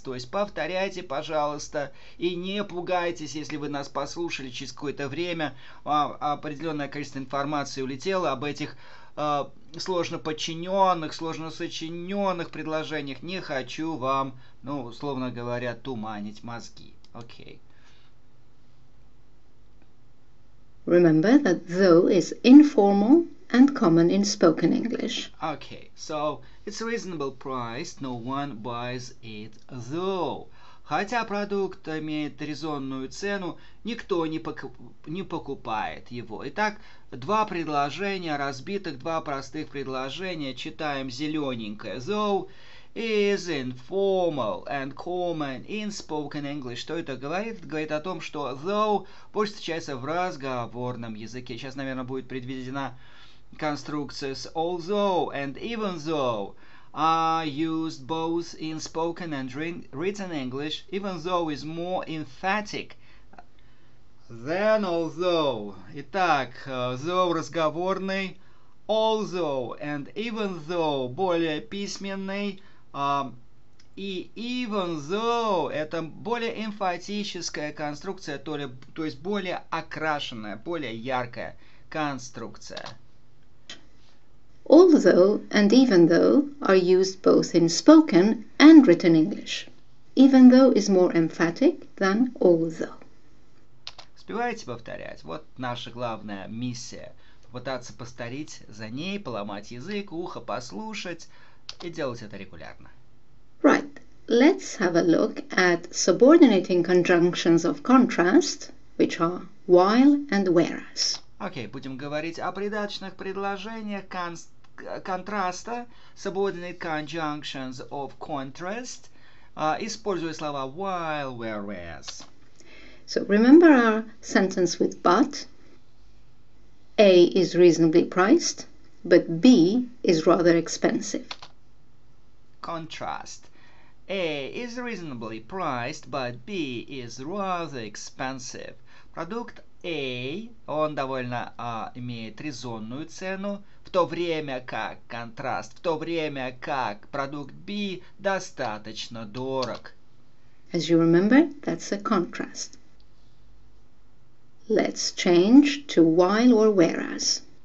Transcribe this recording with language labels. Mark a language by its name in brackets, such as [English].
[Russian] То есть повторяйте, пожалуйста, и не пугайтесь, если вы нас послушали через какое-то время, определенное количество информации улетело об этих сложно подчиненных, сложно сочиненных предложениях. Не хочу вам, ну, условно говоря, туманить мозги. Окей. [English] Okay. Remember that though is informal and common in spoken English. Okay, so it's reasonable price, no one buys it though. [Russian] Хотя продукт имеет резонную цену, никто не покупает его. Итак, два предложения разбитых, два простых предложения. Читаем зелененькое. [English] Though is informal and common in spoken English. [Russian] Что это говорит? Это говорит о том, что though больше встречается в разговорном языке. Сейчас, наверное, будет предвидена конструкция с [English] although and even though are used both in spoken and written English. Even though is more emphatic than although. [Russian] Итак, though разговорный, although and even though более письменный, и even though это более эмфатическая конструкция, то есть более окрашенная, более яркая конструкция. [English] Although and even though are used both in spoken and written English. Even though is more emphatic than although. [Russian] Успеваете повторять? Вот наша главная миссия. Попытаться повторить за ней, поломать язык, ухо послушать и делать это регулярно. [English] Right. Let's have a look at subordinating conjunctions of contrast, which are while and whereas. [Russian] Okay, будем говорить о придаточных предложениях контраста, [English] subordinate conjunctions of contrast, [Russian] используя слова while, whereas. [English] So remember our sentence with but. A is reasonably priced, but B is rather expensive. Contrast. A is reasonably priced, but B is rather expensive. [Russian] Продукт A, он довольно имеет резонную цену, в то время как продукт B достаточно дорог. [English] As you remember, that's a contrast. Let's change to while or whereas.